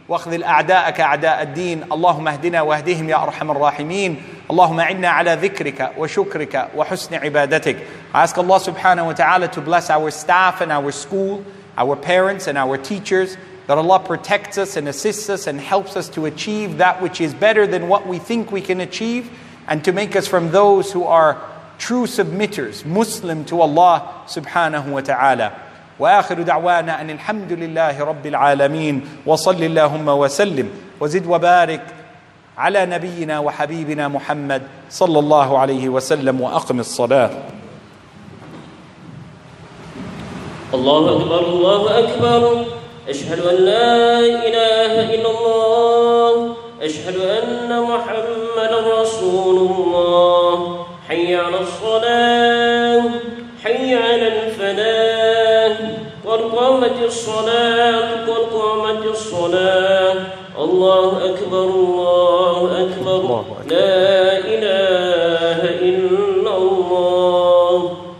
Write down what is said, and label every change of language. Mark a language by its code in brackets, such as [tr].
[ar] واخذ الأعداءك أعداء الدين اللهم اهدنا واهدهم يا أرحم الراحمين اللهم عنا على ذكرك وشكرك وحسن عبادتك. [en] I ask Allah subhanahu wa ta'ala to bless our staff and our school, our parents and our teachers, that Allah protects us and assists us and helps us to achieve that which is better than what we think we can achieve, and to make us from those who are true submitters, Muslim to Allah subhanahu wa ta'ala. [ar] وآخر دعوانا أن الحمد لله رب العالمين وصل اللهم وسلم وزد وبارك على نبينا وحبيبنا محمد صلى الله عليه وسلم وأقم الصلاة. الله أكبر الله أكبر أشهد أن لا إله إلا الله أشهد أن محمد رسول الله حي على الصلاة حي على الفلاح قد قامت الصلاة قد قامت الصلاة الله أكبر الله أكبر لا إله إلا الله.